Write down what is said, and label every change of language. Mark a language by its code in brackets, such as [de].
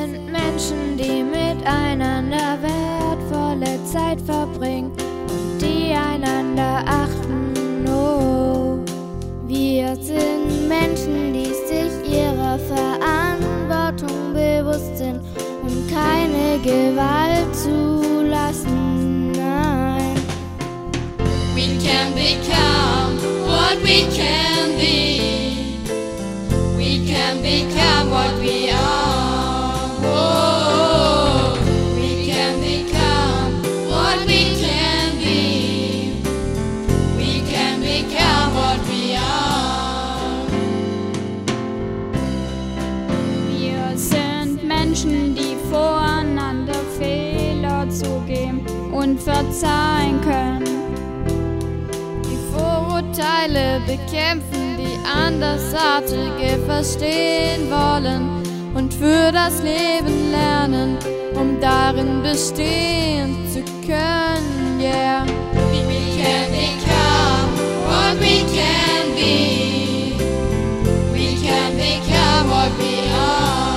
[de] Menschen, die miteinander wertvolle Zeit verbringen und die einander achten. Oh, wir sind Menschen, die sich ihrer Verantwortung bewusst sind und keine Gewalt zulassen. Nein. [en] We can become what we can be. We can become what we are. Oh, we can become what we can be. We can become what we are. [de] Wir sind Menschen, die voreinander Fehler zugeben und verzeihen können. Die Vorurteile bekämpfen, andersartige verstehen wollen und für das Leben lernen, um darin bestehen zu können, yeah. [en] We can become what we can be. We can become what we are.